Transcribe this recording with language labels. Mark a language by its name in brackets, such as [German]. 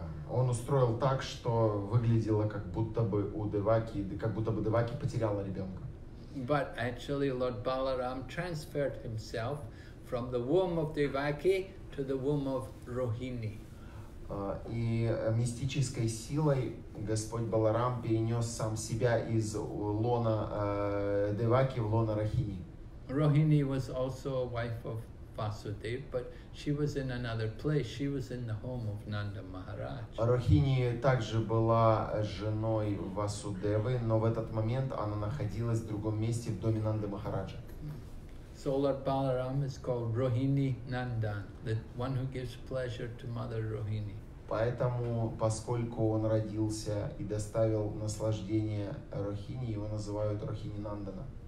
[Russian] Он устроил так, что выглядело, как будто бы у Деваки, как будто бы Деваки потеряла ребенка. [English] But actually, Lord Balaram transferred himself from the womb of Devaki to the womb of Rohini. [Russian] И мистической силой Господь Баларам перенес сам себя из лона Деваки в лона Рохини. [English] Rohini was also a wife of Vasudev, but she was in another place. She was in the home of Nanda Maharaj. [Russian] Rohini также была женой Васудевы, но в этот момент она находилась в другом месте, в доме Нанды Махараджа. [English] So Lord Balaram is called Rohini Nandan, the one who gives pleasure to Mother Rohini. [Russian] Поэтому, поскольку он родился и доставил наслаждение Рохини, его называют Рохини Нандана.